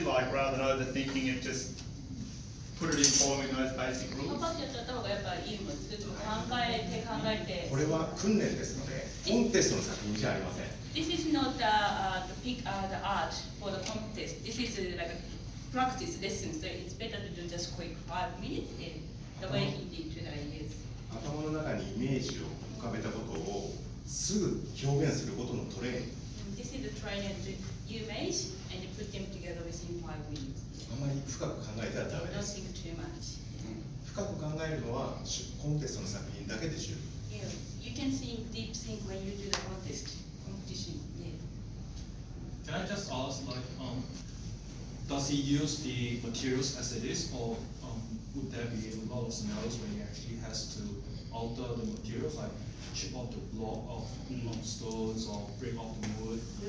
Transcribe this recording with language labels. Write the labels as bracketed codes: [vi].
[en] Like, rather than overthinking it, just put it in following those basic rules. [ja] これは訓練ですので、コンテストの作品じゃありません。 [en] This is not the the art for the contest. This is like a practice lesson. So it's better to do just quick 5 minutes in the way he did today. Yes. [ja] 頭の中にイメージを浮かべたことをすぐ表現することのトレーニング。 [en] this is the train and you made, and you put them together within 5 minutes. [ja] あまり深く考えてはダメです。 [en] Don't think too much. [ja] 深く考えるのはコンテストの作品だけでしょ。 [en] Yeah, you can think deep think when you do the contest, competition, yeah. Can I just ask, like, does he use the materials as it is, or would there be a lot of scenarios when he actually has to alter the materials, like chip off the block of stones or break off the wood?